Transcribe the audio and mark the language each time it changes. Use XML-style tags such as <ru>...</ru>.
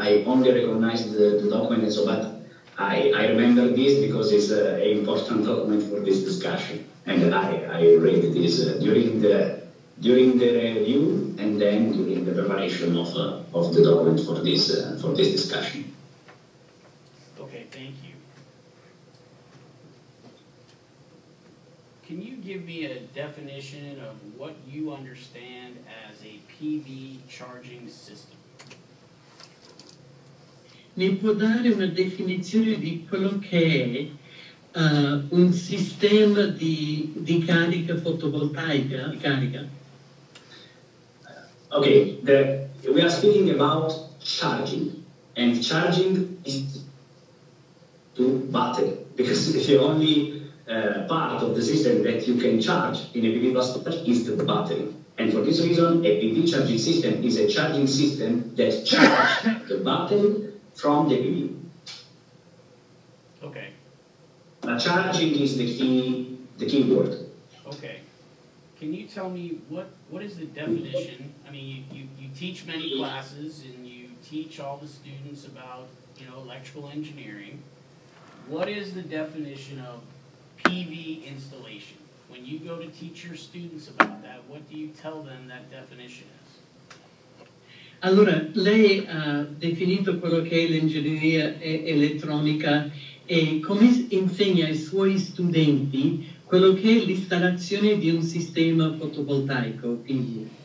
<en>I only recognize the document, and so, but I remember this because it's an important document for this discussion, and I read this during the review and then during the preparation of the document for this discussion. Okay, thank you. Can you give me a definition of what you understand as a PV charging system?</en> <it>Mi può dare una definizione di quello che è un sistema di carica fotovoltaica? Di carica.</it> <en>Okay, we are speaking about charging, and charging is to battery, because the only part of the system that you can charge in a PV bus storage is the battery. And for this reason, a PV charging system is a charging system that charges the battery from the PV. Okay. Now, charging is the key word. Okay. Can you tell me what is the definition? I mean, you teach many classes and you teach all the students about, you know, electrical engineering. What is the definition of PV installation? When you go to teach your students about that, what do you tell them that definition is?</en> <it>Allora, lei ha definito quello che è l'ingegneria elettronica e come insegna ai suoi studenti quello che è l'installazione di un sistema fotovoltaico, PV.</it>